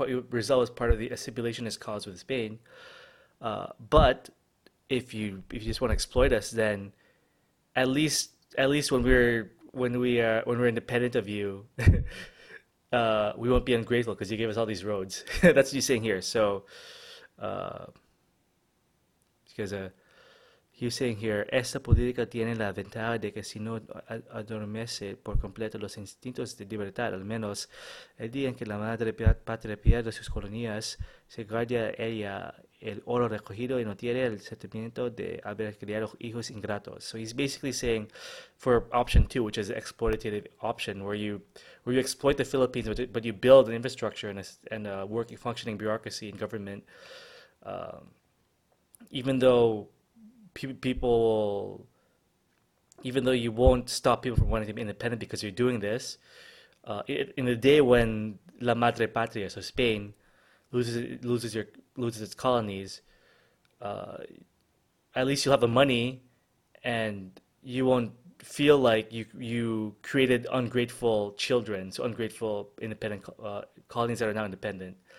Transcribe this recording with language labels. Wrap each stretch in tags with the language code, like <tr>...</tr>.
<en>Rizal was part of the assimilationist cause with Spain. But if you just want to exploit us, then at least when we're independent of you, we won't be ungrateful because you gave us all these roads. That's what he's saying here. So, because he's saying here,</en> <es>esta política tiene la ventaja de que si no adormece por completo los instintos de libertad, al menos el día en que la madre patria pierde sus colonias, se guarda ella el oro recogido y no tiene el sentimiento de haber criado hijos ingratos.</es> <en>So he's basically saying, for option two, which is the exploitative option, where you exploit the Philippines, but you build an infrastructure and a working, functioning bureaucracy and government, even though you won't stop people from wanting to be independent because you're doing this, in the day when La Madre Patria, so Spain, loses its colonies, at least you'll have the money, and you won't feel like you created ungrateful children, so ungrateful independent colonies that are now independent.</en>